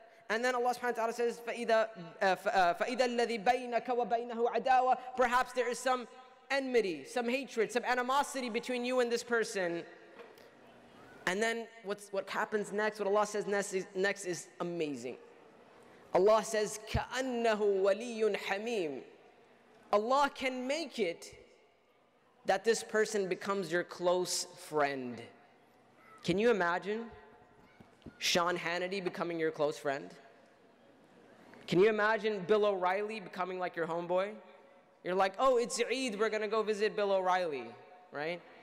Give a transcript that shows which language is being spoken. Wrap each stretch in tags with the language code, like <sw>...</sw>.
<en>And then Allah subhanahu wa ta'ala says,</en> <ar>فَإِذَا الَّذِي بَيْنَكَ وَبَيْنَهُ عَدَاوَةً,</ar> <en>perhaps there is some enmity, some hatred, some animosity between you and this person. And then what happens next, what Allah says next is amazing. Allah says,</en> <ar>كَأَنَّهُ وَلِيٌّ حَمِيمٌ.</ar> <en>Allah can make it that this person becomes your close friend. Can you imagine Sean Hannity becoming your close friend? Can you imagine Bill O'Reilly becoming like your homeboy? You're like, oh, it's Eid, we're gonna go visit Bill O'Reilly, right?</en>